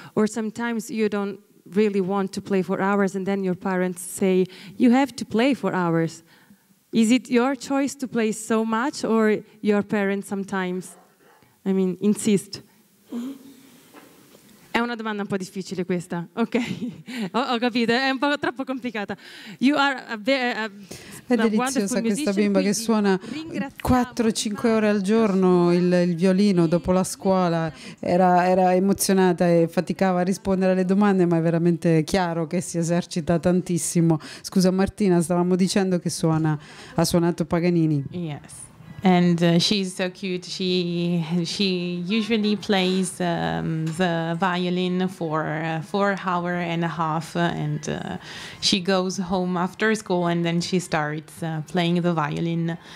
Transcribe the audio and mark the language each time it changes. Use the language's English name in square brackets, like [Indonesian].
[English] Or sometimes you don't really want to play 4 hours, and then your parents say, you have to play 4 hours. Is it your choice to play so much, or your parents sometimes, insist? [Italian] È una domanda un po' difficile questa. Ok, ho capito, è un po' troppo complicata. [English] You are [Italian] è deliziosa questa bimba che suona 4-5 ore al giorno il violino dopo la scuola. Era emozionata e faticava a rispondere alle domande, ma è veramente chiaro che si esercita tantissimo. Scusa Martina, stavamo dicendo che ha suonato Paganini. [English] Yes. And she's so cute. She usually plays the violin for 4.5 hours, and she goes home after school, and then she starts playing the violin.